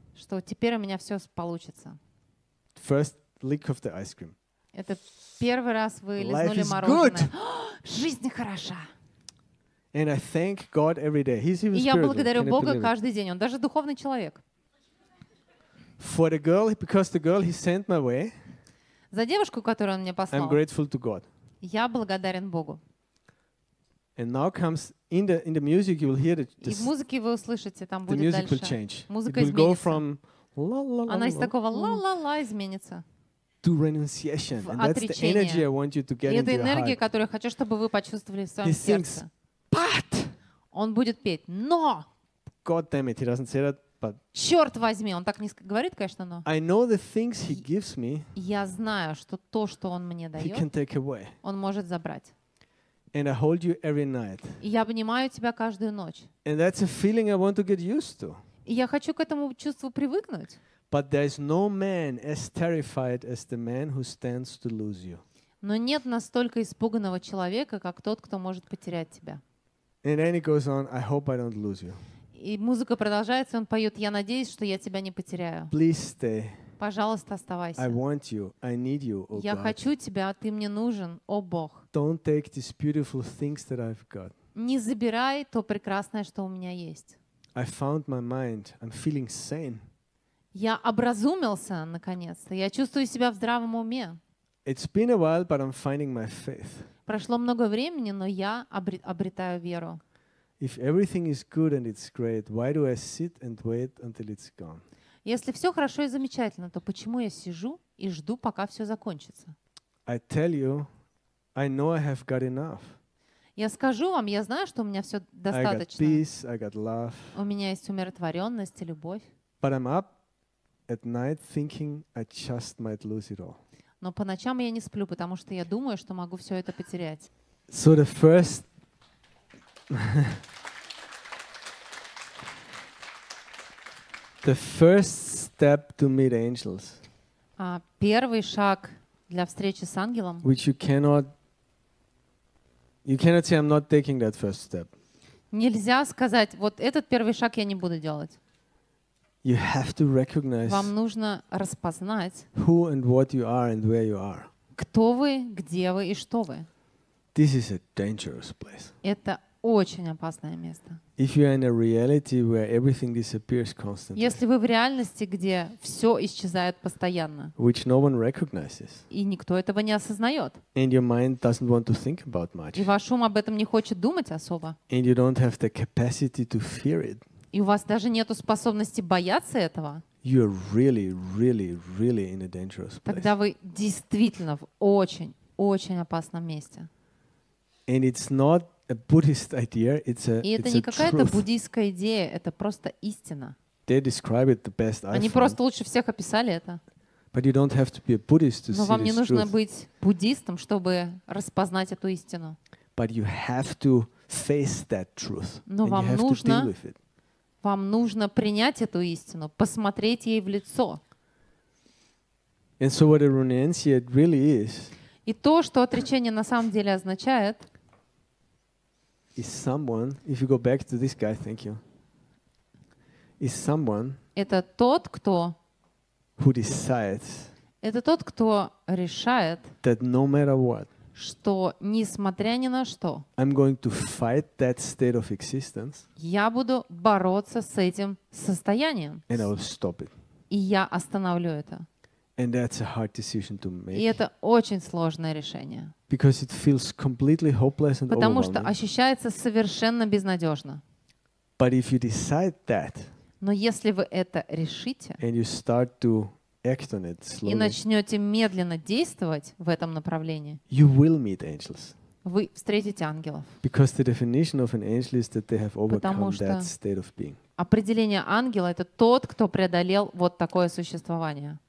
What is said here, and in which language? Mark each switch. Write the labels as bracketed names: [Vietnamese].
[Russian] Что теперь у меня все получится. [English] First lick of the ice cream. [Russian] Это первый раз вы лизнули мороженое. [English] Good. [Russian] Жизнь хороша. [English] And I thank God every day. He's even [Russian] И я благодарю Бога каждый день. Он даже духовный человек. [English] For the girl, because the girl he sent my way. [Russian] За девушку, которую он мне послал. [English] I'm grateful to God. [Russian] Я благодарен Богу. [English] And now comes in the music you will hear the. [Russian] И в музыке вы услышите, там будет [English] music [Russian] дальше. [English] The [Russian] музыка [English] it [Russian] изменится. [English] Will go from la, la, la, [Russian] Она из такого ла-ла-ла изменится. [English] To renunciation, and that's the energy I want you to get into your heart. [Russian] Которую хочу, чтобы вы почувствовали в своем [English] he [Russian] сердце. [English] Sings, but! [Russian] Он будет петь, но. [English] God damn it, he doesn't say that, but. [Russian] Черт возьми, он так не говорит, конечно, но. [English] I know the things he gives me. [Russian] Я знаю, что то, что он мне дает. [English] He can take away. [Russian] Он может забрать. [English] And I hold you every night. [Russian] И я обнимаю тебя каждую ночь. [English] And that's a feeling I want to get used to. [Russian] И я хочу к этому чувству привыкнуть. [English] But there is no man as terrified as the man who stands to lose you. [Russian] Но нет настолько испуганного человека, как тот, кто может потерять тебя. [English] And then he goes on, I hope I don't lose you. [Russian] И музыка продолжается, он поет, я надеюсь, что я тебя не потеряю. [English] Please stay. [Russian] Пожалуйста, оставайся. [English] I want you, I need you, oh God. [Russian] Я хочу тебя, а ты мне нужен, о Бог. [English] Don't take these beautiful things that I've got. [Russian] Не забирай то прекрасное, что у меня есть. [English] I found my mind, I'm feeling sane. [Russian] Я образумился, наконец-то. Я чувствую себя в здравом уме. [English] It's been a while, but I'm finding my faith. [Russian] Прошло много времени, но я обретаю веру. [English] If everything is good and it's great, why do I sit and wait until it's gone? [Russian] Если все хорошо и замечательно, то почему я сижу и жду, пока все закончится? [English] I tell you, I know I have got enough. [Russian] Я скажу вам, я знаю, что у меня все достаточно. [English] I got peace, I got love. [Russian] У меня есть умиротворенность и любовь. [English] But I'm up at night thinking I just might lose it all. [Russian] Но по ночам я не сплю, потому что я думаю, что могу все это потерять. [English] So the first the first step to meet angels. [Russian] Первый шаг для встречи с ангелом. [English] Which you cannot say I'm not taking that first step. [Russian] Нельзя сказать, вот этот первый шаг я не буду делать. [English] You have to recognize. [Russian] Вам нужно распознать. [English] Who and what you are and where you are. [Russian] Кто вы, где вы и что вы? [English] This is a dangerous place. [Russian] Это очень опасное место. [English] If you are in a reality where everything disappears constantly. [Russian] Если вы в реальности, где все исчезает постоянно. [English] Which no one recognizes. [Russian] И никто этого не осознает. [English] And your mind doesn't want to think about much. [Russian] И ваш ум об этом не хочет думать особо. [English] And you don't have the capacity to fear it. [Russian] И у вас даже нету способности бояться этого. [English] You are really, really, really in a dangerous place. [Russian] Тогда вы действительно в очень, очень опасном месте. [English] And it's not a Buddhist idea, it's a truth. [Russian] И это не какая-то буддийская идея, это просто истина. [English] They describe it the best. [Russian] Они просто лучше всех описали это. [English] But you don't have to be a Buddhist to see this truth. [Russian] Но вам не нужно быть буддистом, чтобы распознать эту истину. [English] But you have to face that truth. [Russian] Но вам нужно, принять эту истину, посмотреть ей в лицо. [English] And so what a renunciation it really is. [Russian] И то, что отречение на самом деле означает. [English] Is someone, if you go back to this guy, thank you. Is someone. [Russian] Это тот, кто. [English] Who decides. [Russian] Это тот, кто решает. [English] That no matter what. [Russian] Что несмотря ни на что. [English] I'm going to fight that state of existence. [Russian] Я буду бороться с этим состоянием. [English] And I will stop it. [Russian] И я остановлю это. [English] And that's a hard decision to make. [Russian] И это очень сложное решение. [English] Because it feels completely hopeless and [Russian] Потому что ощущается совершенно безнадежно. [English] But if you decide that. [Russian] Но если вы это решите. [English] And you start to act on it slowly. [Russian] И начнете медленно действовать в этом направлении. [English] You will meet angels. [Russian] Вы встретите ангелов. [English] Because the definition of an angel is that they have overcome that state of being. [Russian] Определение ангела — это тот, кто преодолел вот такое существование.